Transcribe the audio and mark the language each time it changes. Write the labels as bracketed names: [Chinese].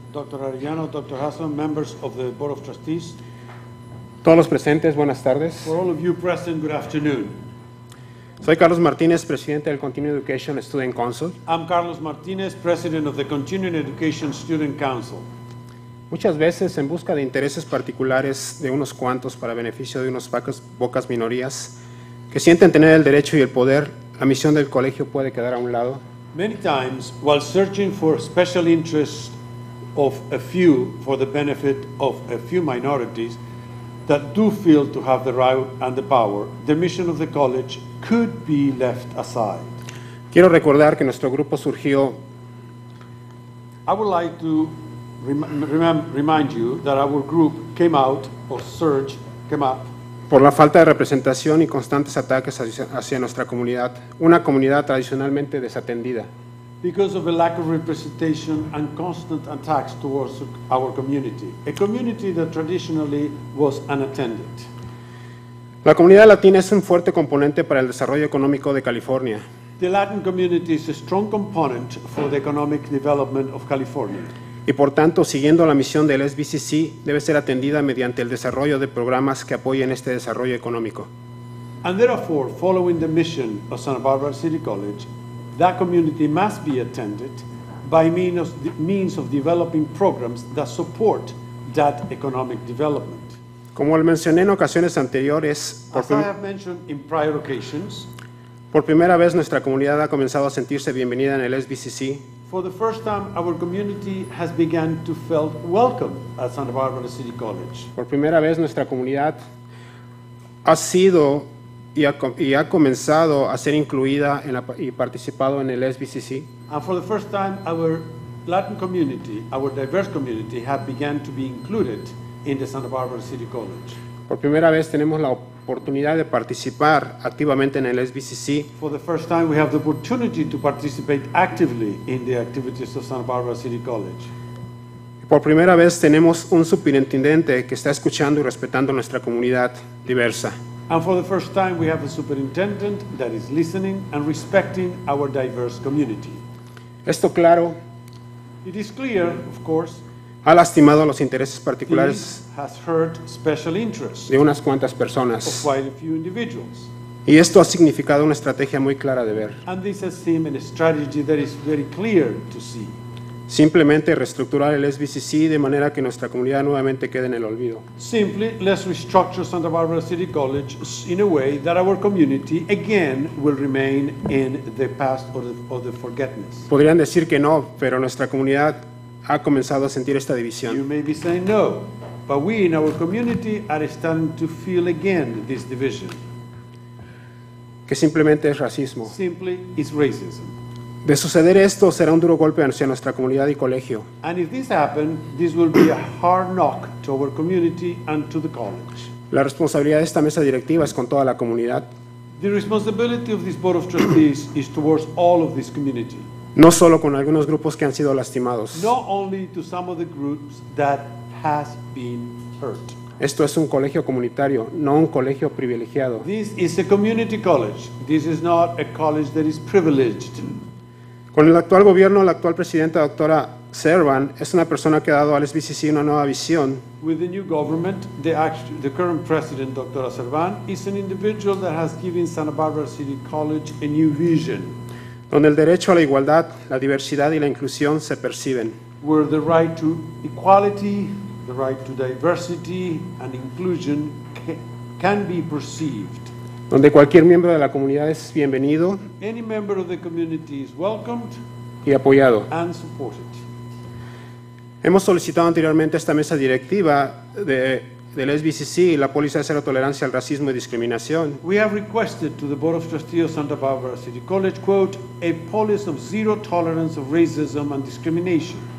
[English] Dr. Arellano, Dr. Haslam, members of the Board of Trustees, [Spanish] todos los presentes, buenas tardes. [English] For all of you present, good afternoon. [Spanish] Soy Carlos Martínez, presidente del Continuing Education Student Council. [English] I'm Carlos Martínez, president of the Continuing Education Student Council. [Spanish] Muchas veces, en busca de intereses particulares de unos cuantos para beneficio de unos pocas minorías que sienten tener el derecho y el poder, la misión del colegio puede quedar a un lado. [English] Many times, while searching for special interests of a few for the benefit of a few minorities that do feel to have the right and the power, the mission of the college could be left aside. [Spanish] Quiero recordar que nuestro grupo surgió. [English] I would like to remind you that our group came out or surge came up [Spanish] por la falta de representación y constantes ataques hacia nuestra comunidad, una comunidad tradicionalmente desatendida. [English] Because of a lack of representation and constant attacks towards our community, a community that traditionally was unattended. [Spanish] La comunidad latina es un fuerte componente para el desarrollo económico de California. [English] The Latin community is a strong component for the economic development of California. [Spanish] Y por tanto, siguiendo la misión del SBCC, debe ser atendida mediante el desarrollo de programas que apoyen este desarrollo económico. [English] And therefore, following the mission of Santa Barbara City College, that community must be attended by means of developing programs that support that economic development. [Spanish] Como lo mencioné en ocasiones anteriores, por primera vez nuestra comunidad ha comenzado a sentirse bienvenida en el SBCC. [English] For the first time, our community has begun to feel welcome at Santa Barbara City College. [Spanish] Por primera vez, nuestra comunidad ha sido y ha comenzado a ser incluida en la, y participado en el SBCC. [English] And for the first time, our Latin community, our diverse community, have begun to be included in the Santa Barbara City College. [Spanish] Por primera vez, tenemos la oportunidad de participar activamente en el SBCC. [English] For the first time, we have the opportunity to participate actively in the activities of Santa Barbara City College. [Spanish] Por primera vez, tenemos un superintendente que está escuchando y respetando nuestra comunidad diversa. [English] And for the first time, we have a superintendent that is listening and respecting our diverse community. [Spanish] Esto claro. [English] It is clear, of course. [Spanish] Ha lastimado los intereses particulares [English] has hurt special interests [Spanish] de unas cuantas personas. [English] Of quite a few individuals. [Spanish] Y esto ha significado una estrategia muy clara de ver. [English] And this has seemed a strategy that is very clear to see. [Spanish] Simplemente reestructurar el SBCC de manera que nuestra comunidad nuevamente quede en el olvido. [English] Simply, let's restructure Santa Barbara City College in a way that our community again will remain in the past or the forgetfulness. [Spanish] Podrían decir que no, pero nuestra comunidad ha comenzado a sentir esta división. [English] You may be saying no, but we in our community are starting to feel again this division. [Spanish] Que simplemente es racismo. [English] Simply, it's racism. [Spanish] De suceder esto, será un duro golpe hacia nuestra comunidad y colegio. [English] And if this happens, this will be a hard knock to our community and to the college. [Spanish] La responsabilidad de esta mesa directiva es con toda la comunidad. [English] The responsibility of this board of trustees is towards all of this community. [Spanish] No solo con algunos grupos que han sido lastimados. [English] Not only to some of the groups that has been hurt. [Spanish] Esto es un colegio comunitario, no un colegio privilegiado. [English] This is a community college. This is not a college that is privileged. [Spanish] Con el actual gobierno, la actual presidenta, doctora Servan, es una persona que ha dado al SBCC una nueva visión. [English] With the new government, the current president, Dr. Servan, is an individual that has given Santa Barbara City College a new vision. [Spanish] Donde el derecho a la igualdad, la diversidad y la inclusión se perciben. [English] Where the right to equality, the right to diversity and inclusion can be perceived. [Spanish] Donde cualquier miembro de la comunidad es bienvenido. [English] Any member of the community is welcomed [Spanish] y apoyado. [English] And supported. [Spanish] Hemos solicitado anteriormente a esta mesa directiva del SBCC la póliza de cero tolerancia al racismo y discriminación. [English] We have requested to the Board of Trustees of Santa Barbara City College, quote, a policy of zero tolerance of racism and discrimination.